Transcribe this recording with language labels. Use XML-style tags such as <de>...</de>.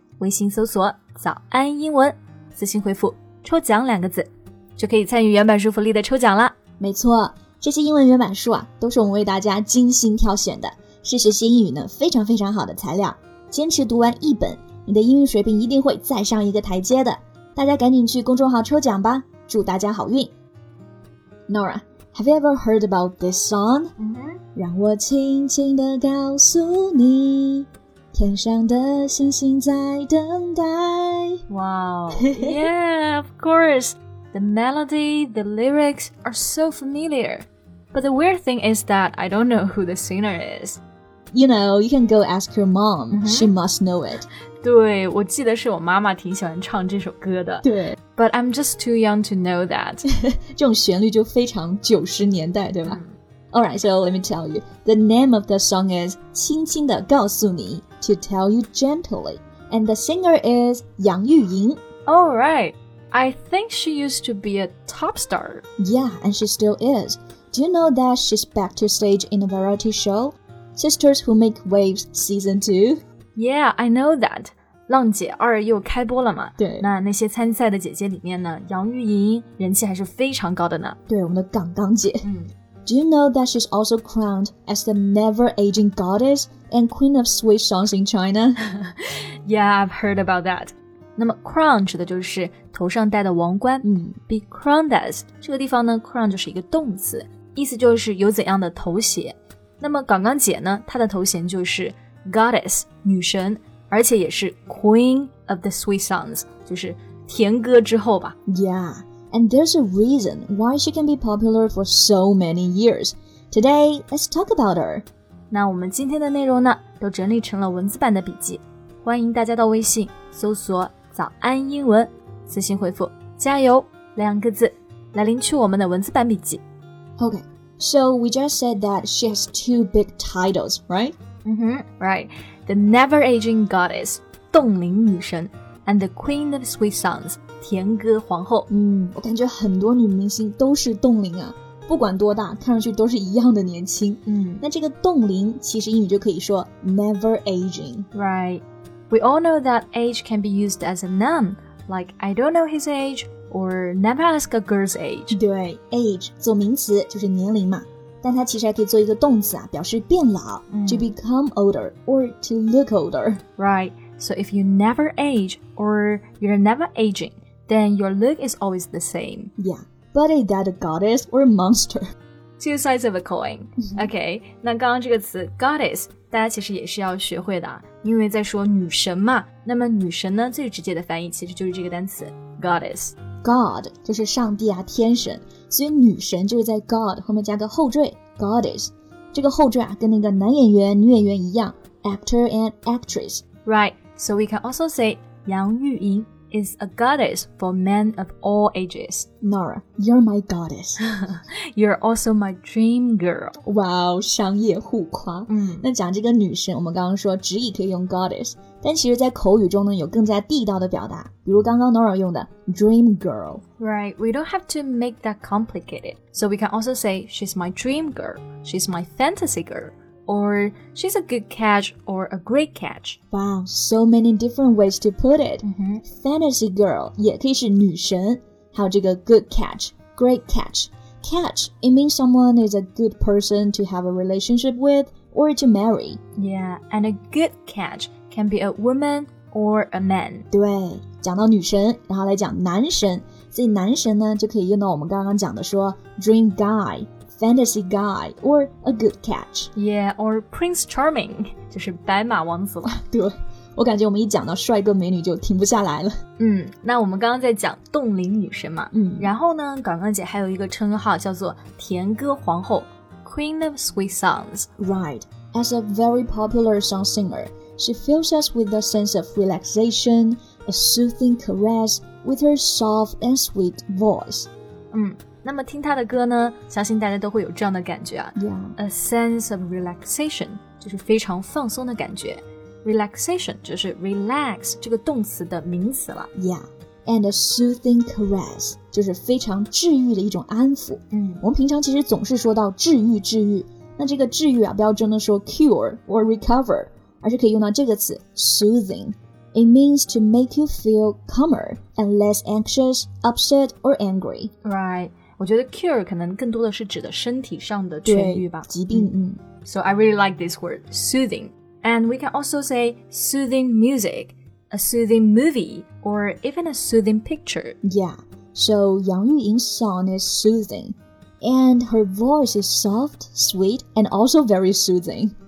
<zh>微信搜索“早安英文”，私信回复“抽奖”两个字，就可以参与原版书福利的抽奖了。没错，这些英文原版书啊，都是我们为大家精心挑选的，是学习英语呢非常非常好的材料。坚持读完一本，你的英语水平一定会再上一个台阶的。大家赶紧去公众号抽奖吧，祝大家好运。</zh> <en>Nora, have you ever heard about this song?、 Mm-hmm.</en> <zh>让我轻轻地告诉你，天上的星星在等待。</zh> <en>Wow, yeah, of course. The melody, the lyrics are so familiar. But the weird thing is that I don't know who the singer is. You know, you can go ask your mom.、Mm-hmm. She must know it.</en> <zh>对，我记得是我妈妈挺喜欢唱这首歌的。对。</zh> <en>But I'm just too young to know that.</en> <zh>这种旋律就非常九十年代，对吧、mm-hmm.</zh> <en>Alright, so let me tell you, the name of the song is 轻轻地告诉你 to tell you gently, and the singer is 杨钰莹 Oh, right. I think she used to be a top star. Yeah, and she still is. Do you know that she's back to stage in a variety show? Sisters Who Make Waves Season 2? Yeah, I know that.</en> <zh>浪姐二又开播了嘛。对。那些参赛的姐姐里面呢，杨钰莹人气还是非常高的呢。对，我们的港港姐。嗯。</zh> <en>Do you know that she's also crowned as the never-aging goddess and queen of sweet songs in China? Yeah, I've heard about that.</en> <zh>那么 crown 指的就是头上戴的王冠、 mm.</zh> <en>Be crowned as,</en> <zh>这个地方呢 crown 就是一个动词意思就是有怎样的头衔那么港港姐呢她的头衔就是 goddess, 女神而且也是</zh> <en>queen of the sweet songs,</en> <zh>就是甜歌之后吧</zh> <en>Yeah. And there's a reason why she can be popular for so many years. Today, let's talk about her.</en> <zh>那我们今天的内容呢，都整理成了文字版的笔记。欢迎大家到微信搜索“早安英文”，私信回复“加油”两个字，来领取我们的文字版笔记。</zh> <en>Okay, so we just said that she has two big titles, right? Mm-hmm, right. The never-aging goddess,</en> <zh>冻龄女神</zh> <en>and the queen of sweet songs.</en> <zh>甜歌皇后我感觉很多女明星都是冻龄啊不管多大看上去都是一样的年轻那这个冻龄其实英语就可以说 never aging</zh> <en>Right We all know that age can be used as a noun Like I don't know his age Or never ask a girl's age</en> <zh>对 age 做名词就是年龄嘛但它其实还可以做一个动词啊表示变老、</zh> <en>To become older Or to look older Right So if you never age Or you're never agingThen your look is always the same. Yeah, but is that a goddess or a monster? Two sides of a coin.</en> <zh>Okay, 那刚刚这个词 goddess, 大家其实也是要学会的，因为在说女神嘛。那么女神呢，最直接的翻译其实就是这个单词 goddess. God 就是上帝啊，天神。所以女神就是在 God 后面加个后缀 goddess. 这个后缀啊，跟那个男演员、女演员一样</zh> <en>actor and actress. Right. So we can also say 杨钰莹。 Is a goddess for men of all ages. Nora, you're my goddess. You're also my dream girl.</en> <zh>Wow, 商业互夸。嗯，那讲这个女神，我们刚刚说直译可以用 goddess， 但其实在口语中呢，有更加地道的表达，比如刚刚 Nora 用的 dream girl.</zh> <en>Right, we don't have to make that complicated. So we can also say she's my dream girl. She's my fantasy girl. Or, she's a good catch or a great catch. Wow, so many different ways to put it.、 Mm-hmm.</en> <zh>Fantasy girl 也可以是女神。还有这个</zh> <en>good catch, great catch. Catch, it means someone is a good person to have a relationship with or to marry. Yeah, and a good catch can be a woman or a man.</en> <zh>对，讲到女神，然后来讲男神。所以男神呢，就可以用到我们刚刚讲的说 dream guy.</zh> <en>Fantasy guy, or a good catch. Yeah, or Prince Charming,</en> <zh>就是白马王子了。对，我感觉我们一讲到帅哥美女就停不下来了。那我们刚刚在讲冻龄女神嘛。然后呢，港港姐还有一个称号叫做甜歌皇后 ,</zh> <en>Queen of Sweet Songs. Right, as a very popular song singer, she fills us with a sense of relaxation, a soothing caress with her soft and sweet voice.</en> <zh>那么听他的歌呢相信大家都会有这样的感觉啊、</zh> <en>yeah. A sense of relaxation</en> <zh>就是非常放松的感觉 relaxation 就是 relax 这个动词的名词了。</zh> <en>Yeah, and a soothing caress</en> <zh>就是非常治愈的一种安抚。嗯，我们平常其实总是说到治愈治愈，那这个治愈啊，不要真的说</zh> <en>cure or recover，</en> <zh>而是可以用到这个词 soothing。</zh> <en>It means to make you feel calmer and less anxious, upset, or angry. Right.</en> <zh>我觉得 cure 可能更多的是指的身体上的痊愈吧。对，疾病。嗯。</zh> <en>So I really like this word, soothing. And we can also say soothing music, a soothing movie, or even a soothing picture. Yeah. So Yang Yuying's song is soothing. And her voice is soft, sweet, and also very soothing.</en>